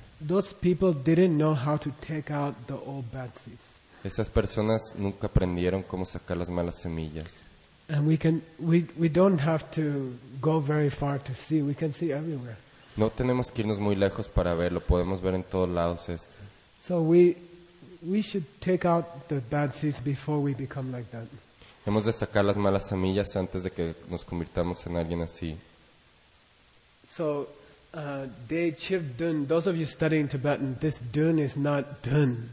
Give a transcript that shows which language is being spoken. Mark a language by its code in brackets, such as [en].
[en] Those people didn't know how to take out the old bad seeds. [es] Esas personas nunca aprendieron cómo sacar las malas semillas. [en] And we don't have to go very far to see. We can see everywhere. [es] No tenemos que irnos muy lejos para verlo. Podemos ver en todos lados esto. [en] So we should take out the bad seeds before we become like that. [es] Hemos de sacar las malas semillas antes de que nos convirtamos en alguien así. [en] So De Chib Dun, those of you studying Tibetan, this Dun is not Dun.